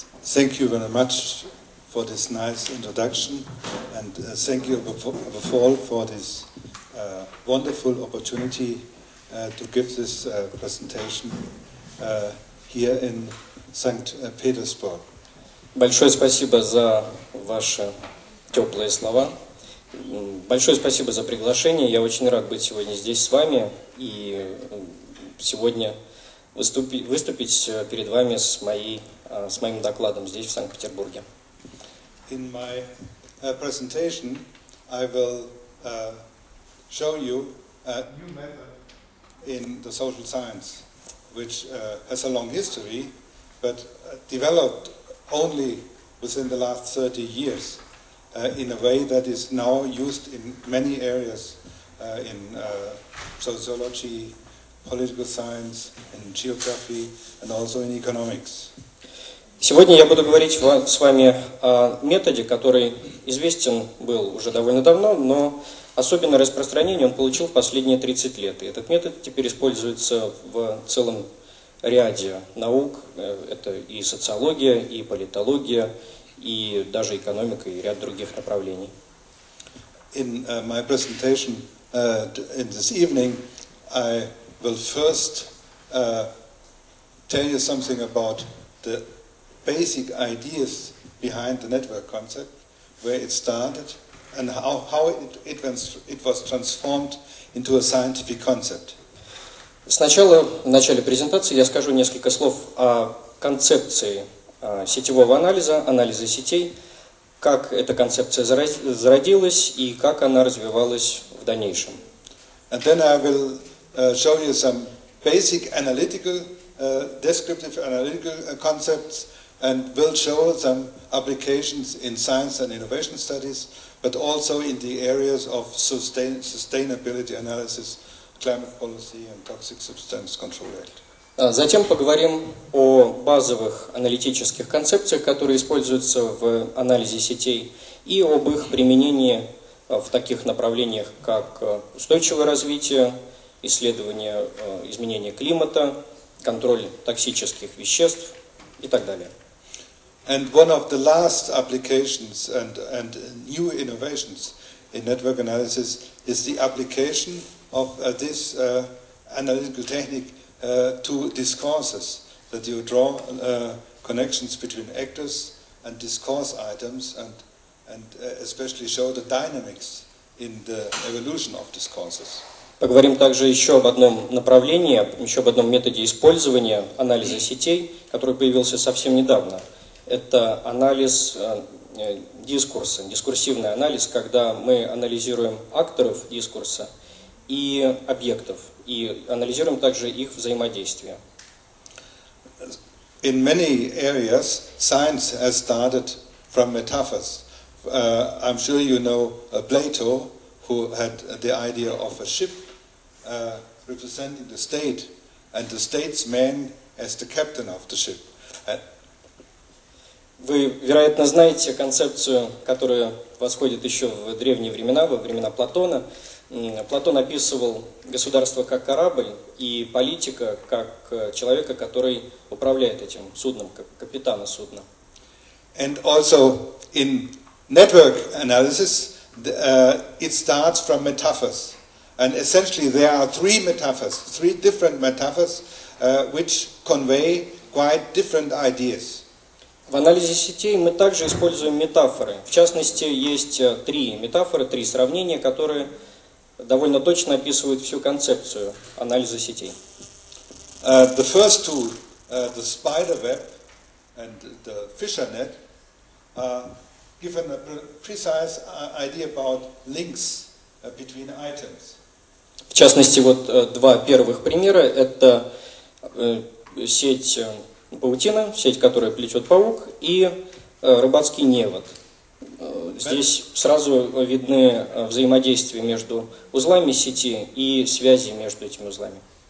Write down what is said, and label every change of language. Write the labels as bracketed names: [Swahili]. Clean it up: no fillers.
[English] Thank you very much for this nice introduction, and thank you above all for this wonderful opportunity to give this presentation here in St. Petersburg. [Russian] Большое спасибо за ваши теплые слова. Большое спасибо за приглашение. Я очень рад быть сегодня здесь с вами и сегодня выступить перед вами с моим докладом здесь, в Санкт-Петербурге. [English] In my presentation, I will show you a new method in the social science, which has a long history, but developed only within the last 30 years in a way that is now used in many areas in sociology, political science, in geography, and also in economics. [Russian] Сегодня я буду говорить с вами о методе, который известен был уже довольно давно, но особенное распространение он получил в последние 30 лет. И этот метод теперь используется в целом ряде наук. Это и социология, и политология, и даже экономика, и ряд других направлений. [English] In my presentation in this evening, I will first tell you something about the basic ideas behind the network concept, where it started, and how it was transformed into a scientific concept. [Russian] Сначала, в начале презентации, я скажу несколько слов о концепции сетевого анализа, анализа сетей, как эта концепция зародилась и как она развивалась в дальнейшем. [English] And then I will show you some basic analytical, descriptive analytical concepts, and will show some applications in science and innovation studies, but also in the areas of sustainability analysis, climate policy and toxic substance control act. [Russian] Затем поговорим о базовых аналитических концепциях, которые используются в анализе сетей, и об их применении в таких направлениях, как устойчивое развитие, исследование изменения климата, контроль токсических веществ и так далее. [English] And one of the last applications and new innovations in network analysis is the application of this analytical technique to discourses, that you draw connections between actors and discourse items and especially show the dynamics in the evolution of discourses. [Russian] Поговорим также еще об одном направлении, еще об одном методе использования анализа сетей, который появился совсем недавно. Это анализ дискурса, дискурсивный анализ, когда мы анализируем акторов дискурса и объектов, и анализируем также их взаимодействие. [English] In many areas, science has started from metaphors. I'm sure you know Plato, who had the idea of a ship representing the state, and the statesman as the captain of the ship. [Russian] Вы, вероятно, знаете концепцию, которая восходит еще в древние времена, во времена Платона. Платон описывал государство как корабль и политика как человека, который управляет этим судном, как капитана судна. [English] And also in network analysis, it starts from metaphors. And essentially there are three metaphors, three different metaphors, which convey quite different ideas. [Russian] В анализе сетей мы также используем метафоры. В частности, есть три метафоры, три сравнения, которые довольно точно описывают всю концепцию анализа сетей. [English] The first two, the spider web and the fisher net, give a precise idea about links between items. [Russian] В частности, вот два первых примера – это сеть паутина, сеть, которая плетет паук, и рыбацкий невод. Здесь сразу видны взаимодействия между узлами сети и связи между этими узлами.